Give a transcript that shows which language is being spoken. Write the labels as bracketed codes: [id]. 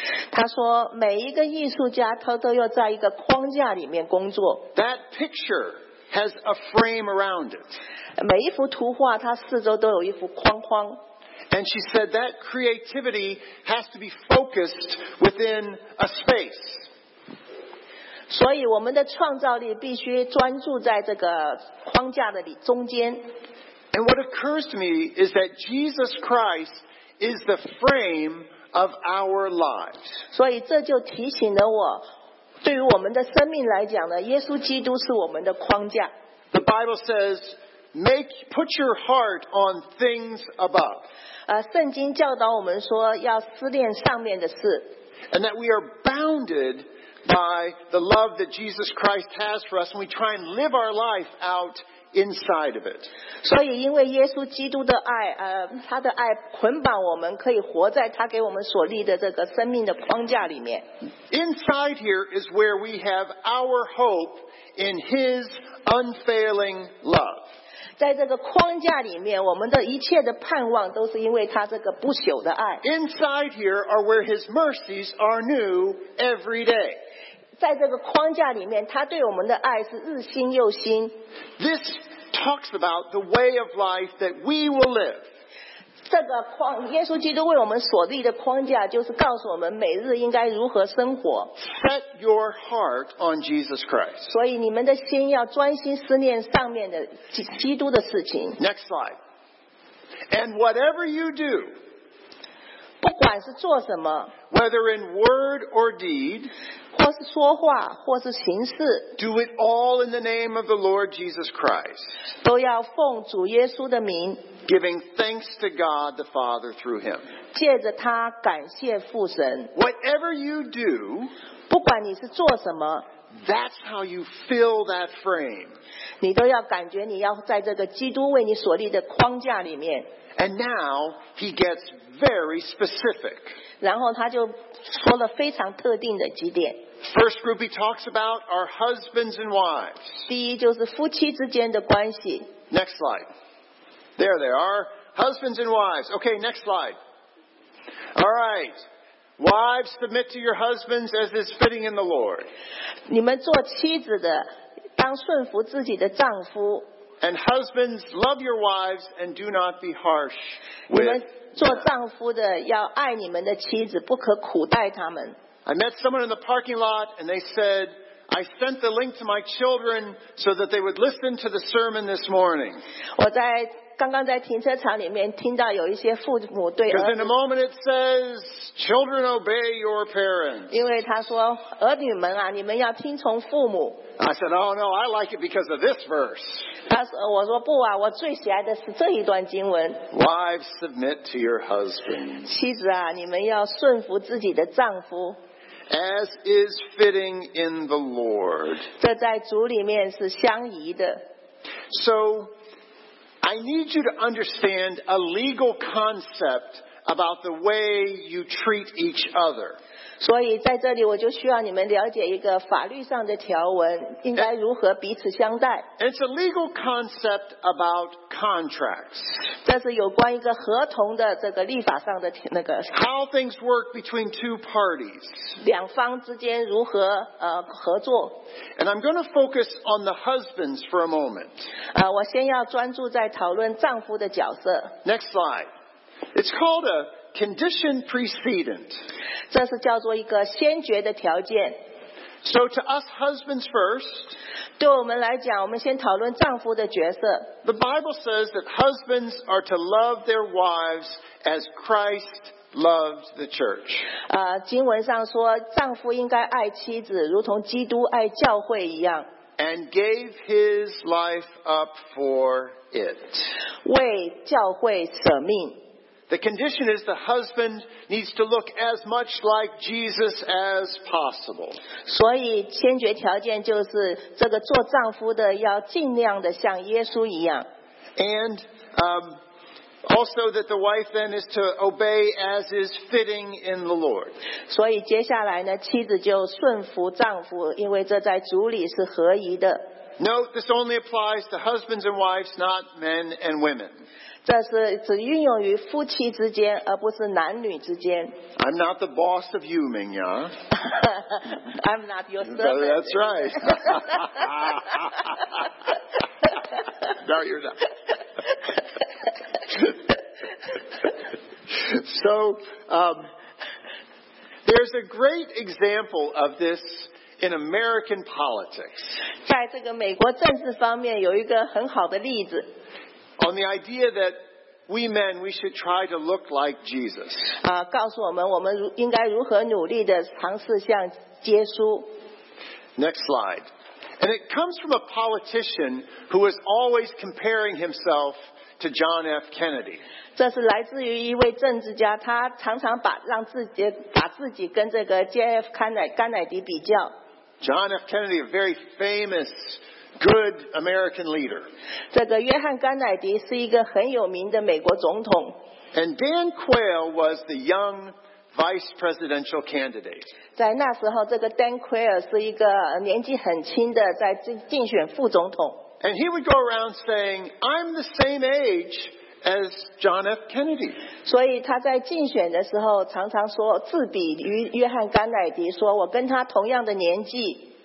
[zh] 她说每一个艺术家他都要在一个框架里面工作。 [en] That picture has a frame around it. [zh] 每一幅图画它四周都有一幅框框。 [en] And she said that creativity has to be focused within a space. [zh] 所以我们的创造力必须专注在这个框架的中间。 [en] And what occurs to me is that Jesus Christ is the frame of our lives. [zh] 所以这就提醒了我，对于我们的生命来讲呢，耶稣基督是我们的框架。 [en] The Bible says, put your heart on things above. [zh] 圣经教导我们说要思念上面的事。 [en] And that we are bounded by the love that Jesus Christ has for us, and we try and live our life out inside of it. [zh] 所以因为耶稣基督的爱，他的爱捆绑我们，可以活在他给我们所立的这个生命的框架里面。 [en] Inside here is where we have our hope in His unfailing love. [zh] 在这个框架里面，我们的一切的盼望都是因为他这个不朽的爱。 [en] Inside here are where his mercies are new every day. [zh] 在这个框架里面，他对我们的爱是日新又新。 [en] This talks about the way of life that we will live. [zh] 这个框，耶稣基督为我们所立的框架，就是告诉我们每日应该如何生活。 [en] Set your heart on Jesus Christ. [zh] 所以你们的心要专心思念上面的基督的事情。 [en] Next slide. And whatever you do, [zh] 不管是做什么 [en] whether in word or deed, [zh] 或是说话或是行事 [en] do it all in the name of the Lord Jesus Christ, [zh] 都要奉主耶稣的名 [en] giving thanks to God the Father through him, [zh] 借着他感谢父神 [en] whatever you do, [zh] 不管你是做什么 [en] That's how you fill that frame. [zh] 你都要感觉你要在这个基督为你所立的框架里面。 [en] And now he gets very specific. [zh] 然后他就说了非常特定的几点。 [en] First group he talks about are husbands and wives. [zh] 第一就是夫妻之间的关系。 [en] Next slide. There they are. Husbands and wives. Okay, next slide. All right. Wives, submit to your husbands as is fitting in the Lord. [zh] 你们做妻子的，当顺服自己的丈夫。 [en] And husbands, love your wives and do not be harsh with them. [zh] 你们做丈夫的，要爱你们的妻子，不可苦待他们。 [en] I met someone in the parking lot and they said, I sent the link to my children so that they would listen to the sermon this morning. [zh] 我在刚刚在停车场里面听到有一些父母对儿子 [en] Because in a moment it says, children obey your parents. [zh] 因为他说儿女们啊你们要听从父母 [en] I said, oh no, I like it because of this verse. [zh] 他说我说不啊我最喜爱的是这一段经文 [en] Wives, submit to your husbands. [zh] 妻子啊你们要顺服自己的丈夫 [en] As is fitting in the Lord. [zh] 这在主里面是相宜的 [en] So,I need you to understand a legal concept about the way you treat each other. [zh] 所以在这里我就需要你们了解一个法律上的条文，应该如何彼此相待。 [en] It's a legal concept about contracts. [zh] 这是有关一个合同的这个立法上的那个。 [en] How things work between two parties. [zh] 两方之间如何合作。 [en] And I'm going to focus on the husbands for a moment. [zh] 我先要专注在讨论丈夫的角色。 [en] Next slide. It's called a condition precedent. [zh] 这是叫做一个先决的条件。 [en] So to us husbands first. [zh] 对我们来讲，我们先讨论丈夫的角色。 [en] The Bible says that husbands are to love their wives as Christ loved the church. [zh] 经文上说，丈夫应该爱妻子，如同基督爱教会一样。 [en] And gave his life up for it. [zh] 为教会舍命。 [en] The condition is the husband needs to look as much like Jesus as possible. [zh] 所以先决条件就是这个做丈夫的要尽量的像耶稣一样。 [en] And also that the wife then is to obey as is fitting in the Lord. [zh] 所以接下来呢，妻子就顺服丈夫，因为这在主里是合宜的。 [en] Note this only applies to husbands and wives, not men and women. [zh] 这是只运用于夫妻之间，而不是男女之间。 [en] I'm not the boss of you, Mingya. I'm not your servant. That's right. No, you're not. So, there's a great example of this. In American politics, [zh] 在这个美国政治方面有一个很好的例子。 [en] On the idea that we men we should try to look like Jesus. [zh] 告诉我们我们应该如何努力的尝试像耶稣。 [en] Next slide, and it comes from a politician who is always comparing himself to John F. Kennedy. [zh] 这是来自于一位政治家，他常常把自己跟这个 JF 甘乃迪比较。 [en] John F. Kennedy, a very famous, good American leader. [zh] 这个约翰·甘乃迪是一个很有名的美国总统。 [en] And Dan Quayle was the young vice presidential candidate. [zh] 在那时候，这个 Dan Quayle 是一个年纪很轻的，在竞选副总统。 [en] And he would go around saying, "I'm the same age as John F. Kennedy." [zh] 所以他在竞选的时候常常说自比于约翰·甘乃迪，说我跟他同样的年纪。